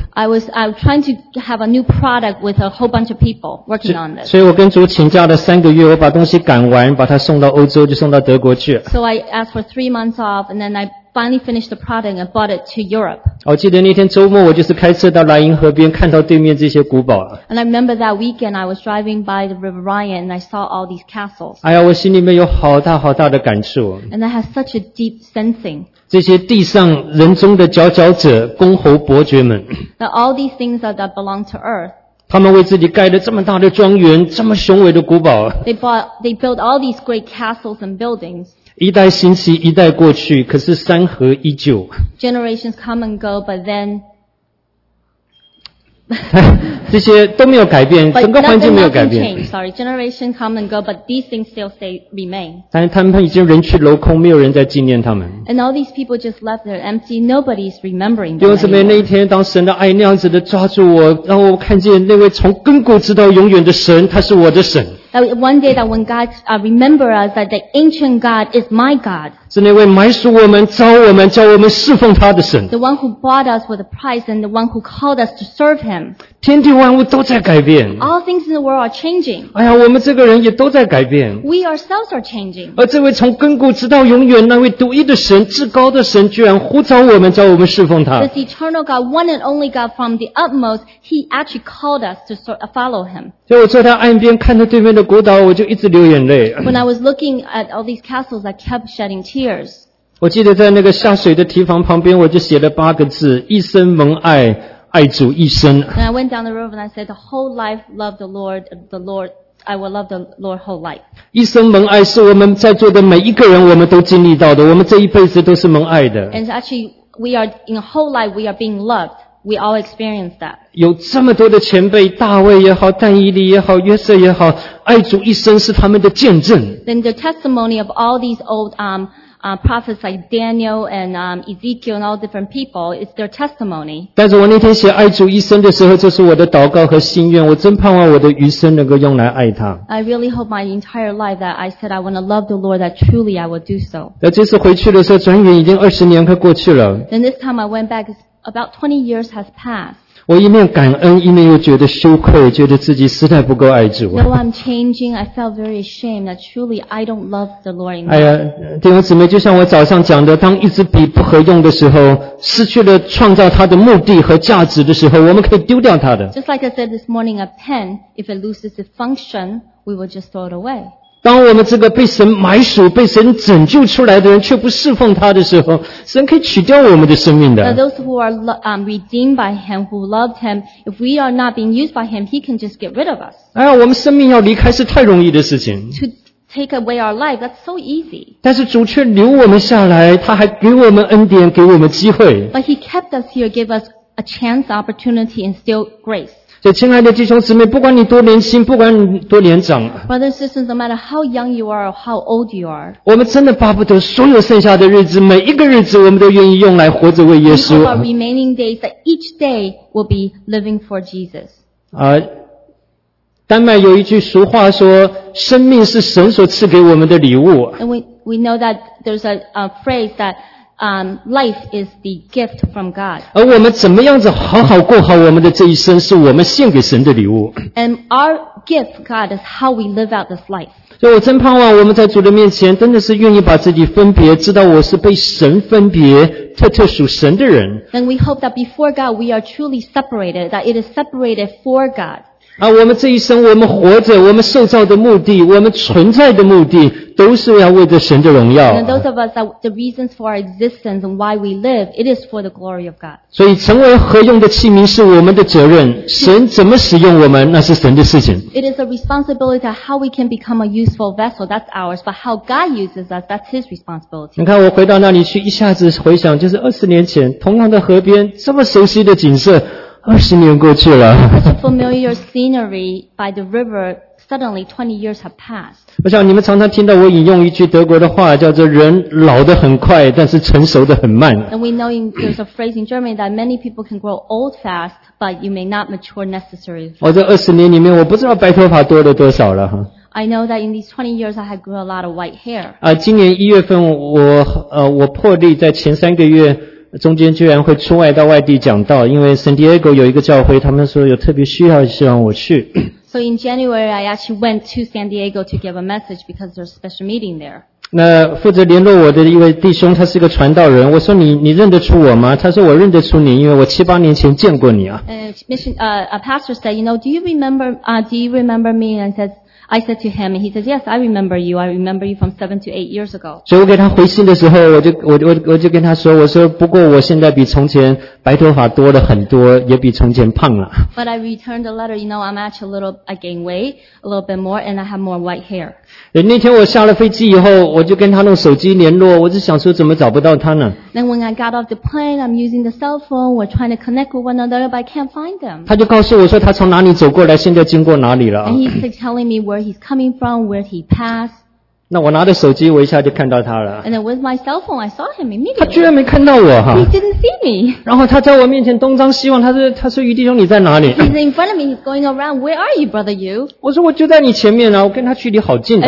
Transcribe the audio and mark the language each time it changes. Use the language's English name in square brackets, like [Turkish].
[English] I was trying to have a new product with a whole bunch of people working on this [Chinese] 所以我跟主请假了3个月我把东西赶完把它送到欧洲就送到德国去 [English] So I asked for 3 months off and then I finally finished the product and bought it to Europe [Chinese] 我记得那天周末我就是开车到莱茵河边看到对面这些古堡 [English] And I remember that weekend I was driving by the River Ryan and I saw all these castles [Chinese] 我心里面有好大好大的感触 [English] And I had such a deep sensing [Chinese] 这些地上人中的佼佼者公侯伯爵们 [English] That all these things that belong to earth [Chinese] 他们为自己盖了这么大的庄园这么雄伟的古堡 [English] They built all these great castles and buildings [Chinese] 一代兴起一代过去可是山河依旧 [English] Generations come and go but then [Chinese] 这些都没有改变，整个环境没有改变。 [English] Sorry, generation come and go, but these things still stay remain. [Chinese] 但他们已经人去楼空，没有人在纪念他们。 [English] And all these people just left there empty. Nobody's remembering. [Chinese] 弟兄姊妹，那一天当神的爱那样子的抓住我，然后我看见那位从亘古直到永远的神，他是我的神。 [English] One day that when God remember us that the ancient God is my God. [Chinese] 是那位买赎我们、招我们、叫我们侍奉他的神。 [English] The one who bought us with a price and the one who called us to serve Him. [Chinese] 天地万物都在改变。 [English] All things in the world are changing. [Chinese] 哎呀，我们这个人也都在改变。 [English] We ourselves are changing. [Chinese] 而这位从亘古直到永远那位独一的神、至高的神，居然呼召我们、叫我们侍奉他。 [English] This eternal God, one and only God from the utmost, He actually called us to follow Him. [Chinese] 所以我坐在岸边看着对面的孤岛，我就一直流眼泪。 [English] When I was looking at all these castles, I kept shedding tears. [Chinese] 我记得在那个下水的堤防旁边，我就写了八个字：一生蒙爱，爱主一生。 [English] And I went down the road and I said, the whole life love the Lord, the Lord, I will love the Lord whole life. [Chinese] 一生蒙爱是我们在座的每一个人我们都经历到的，我们这一辈子都是蒙爱的。 [English] And actually, we are in a whole life we are being loved. We all experience that. [Chinese] 有这么多的前辈，大卫也好，但以理也好，约瑟也好，爱主一生是他们的见证。 [English] Then the testimony of all these old prophets like Daniel and Ezekiel and all different people is their testimony. [Chinese] 但是我那天写爱主一生的时候，这是我的祷告和心愿。我真盼望我的余生能够用来爱他。 [English] I really hope my entire life that I said I want to love the Lord that truly I will do so. [Chinese] 那这次回去的时候，转眼已经20年快过去了。 [English] Then this time I went back. About 20 years has passed. [Chinese] 我一面感恩，一面又觉得羞愧，觉得自己实在不够爱主。 [English] Now I'm changing. I felt very ashamed that truly I don't love the Lord. [Chinese] 哎呀，弟兄姊妹，就像我早上讲的，当一支笔不合用的时候，失去了创造它的目的和价值的时候，我们可以丢掉它的。 [English] Just like I said this morning, a pen, if it loses its function, we will just throw it away. [Chinese] 当我们这个被神买赎、被神拯救出来的人却不侍奉他的时候，神可以取掉我们的生命的。 [English] Now those who are redeemed by Him, who loved Him, if we are not being used by Him, He can just get rid of us. [Chinese] 哎呀，我们生命要离开是太容易的事情。 [English] To take away our life, that's so easy. [Chinese] 但是主却留我们下来，他还给我们恩典，给我们机会。 [English] But He kept us here, gave us a chance, opportunity, and still grace. [Chinese] 所以亲爱的弟兄姊妹，不管你多年轻，不管你多年长， [English] Brothers and sisters, no matter how young you are or how old you are, [Chinese] 我们真的巴不得所有剩下的日子，每一个日子我们都愿意用来活着为耶稣。 [English] Our remaining days that each day will be living for Jesus. [Chinese] 丹麦有一句俗话说，生命是神所赐给我们的礼物。 [English] And we know that there's a phrase thatLife is the gift from God. [Chinese] 而我们怎么样子好好过好我们的这一生，是我们献给神的礼物。 [English] And our gift, God, is how we live out this life. [Chinese] 所以我真盼望我们在主的面前，真的是愿意把自己分别，知道我是被神分别，特特属神的人。 [English] And we hope that before God, we are truly separated, that it is separated for God. [Chinese] 啊，我们这一生，我们活着，我们受造的目的，我们存在的目的，都是要为着神的荣耀。 [English] And those of us that the reasons for our existence and why we live, it is for the glory of God. [Chinese] 所以成为合用的器皿是我们的责任。神怎么使用我们，那是神的事情。 [English] It is a responsibility of how we can become a useful vessel. That's ours, but how God uses us, that's His responsibility. [Chinese] 你看，我回到那里去，一下子回想，就是20年前，同样的河边，这么熟悉的景色。 20年过去了。 [English] Such a familiar scenery by the river, suddenly 20 years have passed. [Chinese] 我想你们常常听到我引用一句德国的话，叫做人老得很快，但是成熟得很慢。 [English] And we know there's a phrase in Germany that many people can grow old fast, but you may not mature necessarily. [Chinese] 我这20年里面我不知道白头发多了多少了。 [English] I know that in these 20 years I have grown a lot of white hair. [Chinese] 今年1月份我破例在前三个月中间居然会出外到外地讲道，因为 San Diego 有一个教会，他们说有特别需要，希望我去。 [English] So in January, I actually went to San Diego to give a message because there's a special meeting there. [Chinese] 那负责联络我的一位弟兄，他是一个传道人。我说你认得出我吗？他说我认得出你，因为我七八年前见过你啊。 [English] A pastor said, you know, do you remember me? And says, I said to him, and he says, yes, I remember you. I remember you from 7 to 8 years ago. [Chinese] 所以我给他回信的时候，我就跟他说，我说不过我现在比从前白头发多了很多，也比从前胖了。 [English] But I returned the letter, you know, I'm actually I gain weight a little bit more, and I have more white hair. [Chinese] 那天我下了飞机以后，我就跟他用手机联络，我就想说怎么找不到他呢？ [English] Then when I got off the plane, I'm using the cell phone, we're trying to connect with one another, but I can't find them. [Chinese] 他就告诉我说他从哪里走过来，现在经过哪里了。 [English] And he's telling me where he's coming from, where he passed. [Chinese] 那我拿着手机，我一下就看到他了。 [English] And then with my cell phone, I saw him immediately. [Chinese] 他居然没看到我哈。 [English] He didn't see me. [Chinese] 然后他在我面前东张西望，他说余弟兄你在哪里？ [English] He's in front of me, he's going around, where are you, brother Yu? [Chinese] 我说我就在你前面啊，我跟他距离好近的。